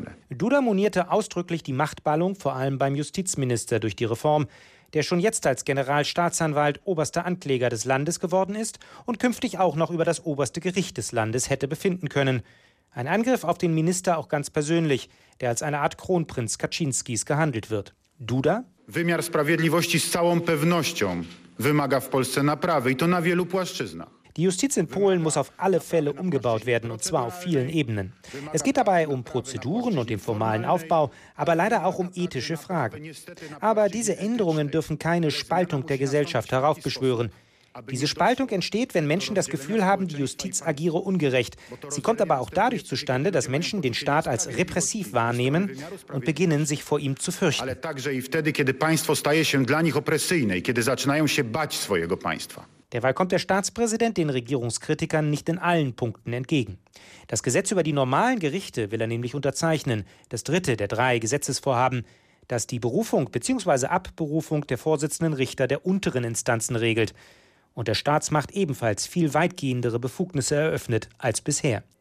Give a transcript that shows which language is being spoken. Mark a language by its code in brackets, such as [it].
[de] Duda monierte ausdrücklich die Machtballung, vor allem beim Justizminister, durch die Reform, der schon jetzt als Generalstaatsanwalt oberster Ankläger des Landes geworden ist und künftig auch noch über das oberste Gericht des Landes hätte befinden können. Ein Angriff auf den Minister auch ganz persönlich, der als eine Art Kronprinz Kaczynskis gehandelt wird. Duda? [pl] Wymiar sprawiedliwości z całą pewnością wymaga w Polsce naprawy i to na wielu płaszczyznach. [de] Die Justiz in Polen muss auf alle Fälle umgebaut werden, und zwar auf vielen Ebenen. Es geht dabei um Prozeduren und den formalen Aufbau, aber leider auch um ethische Fragen. Aber diese Änderungen dürfen keine Spaltung der Gesellschaft heraufbeschwören. Diese Spaltung entsteht, wenn Menschen das Gefühl haben, die Justiz agiere ungerecht. Sie kommt aber auch dadurch zustande, dass Menschen den Staat als repressiv wahrnehmen und beginnen, sich vor ihm zu fürchten. [pl] Ale także i wtedy, kiedy państwo staje się dla nich opresyjne i kiedy zaczynają się bać swojego państwa. [de] Derweil kommt der Staatspräsident den Regierungskritikern nicht in allen Punkten entgegen. Das Gesetz über die normalen Gerichte will er nämlich unterzeichnen, das dritte der drei Gesetzesvorhaben, das die Berufung bzw. Abberufung der Vorsitzenden Richter der unteren Instanzen regelt und der Staatsmacht ebenfalls viel weitgehendere Befugnisse eröffnet als bisher.